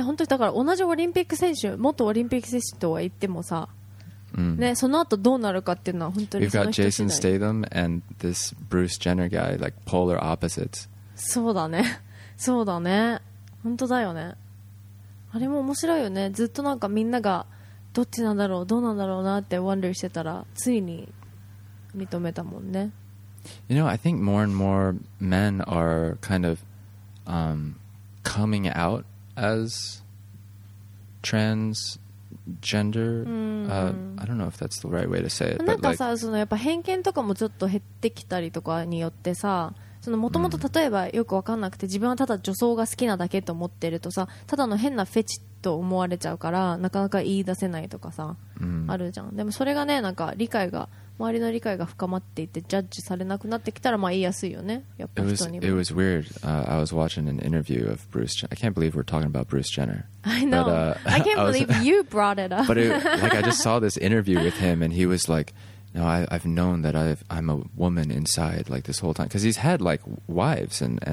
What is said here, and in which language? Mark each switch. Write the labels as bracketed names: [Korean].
[Japanese] 本当だから同じオリンピック選手、元オリンピック選手とは言ってもさ。 Mm. ね、その後どうなるかっていうのは本当に [English] We've got Jason Statham and this Bruce Jenner guy, like polar opposites. [Japanese] そうだね、そうだね、本当だよね。あれも面白いよね。ずっとなんかみんながどっちなんだろう、どうなんだろうなって wonder してたら、ついに認めたもんね。 [English] You know, I think more and more men are kind of coming out as trans. Gender, I don't know if that's the right way to say it. [Japanese] なんかさ、そのやっぱ偏見とかもちょっと減ってきたりとかによってさ、その元々例えばよく分かんなくて、自分はただ女装が好きなだけと思ってるとさ、ただの変なフェチと思われちゃうからなかなか言い出せないとかさ、あるじゃん。でもそれがね、なんか理解が周りの理解が深まっていて、ジャッジされなくなってきたら、まあ言いやすいよね、やっぱ人にも。 [English] It was weird. I was watching an interview of Bruce Jenner. I can't believe we're talking about Bruce Jenner. I know. But, I can't believe you brought it up. But I just saw this interview with him, and he was like, "No, I've known that I'm a woman inside like this whole time." Because he's had like wives and